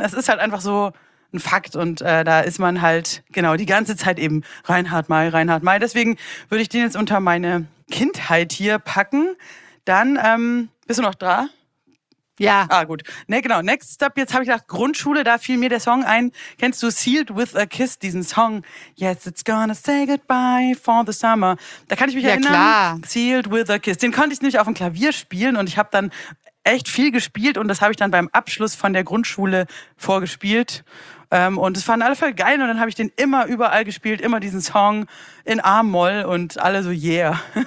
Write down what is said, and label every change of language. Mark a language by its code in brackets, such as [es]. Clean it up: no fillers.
[de] Es ist halt einfach so ein Fakt und da ist man halt genau die ganze Zeit eben Reinhard May, Reinhard May. Deswegen würde ich den jetzt unter meine Kindheit hier packen. Dann, bist du noch dran? Ja. Ah, gut. Ne, genau. Next Step, jetzt habe ich gedacht, Grundschule, da fiel mir der Song ein. Kennst du Sealed with a Kiss, diesen Song? [en] Yes, it's gonna say goodbye for the summer. [de] Da kann ich mich ja, erinnern. Klar. Sealed with a Kiss. Den konnte ich nämlich auf dem Klavier spielen und ich habe dann echt viel gespielt und das habe ich dann beim Abschluss von der Grundschule vorgespielt. Und es fanden alle voll geil und dann habe ich den immer überall gespielt, immer diesen Song in A-Moll und alle so yeah.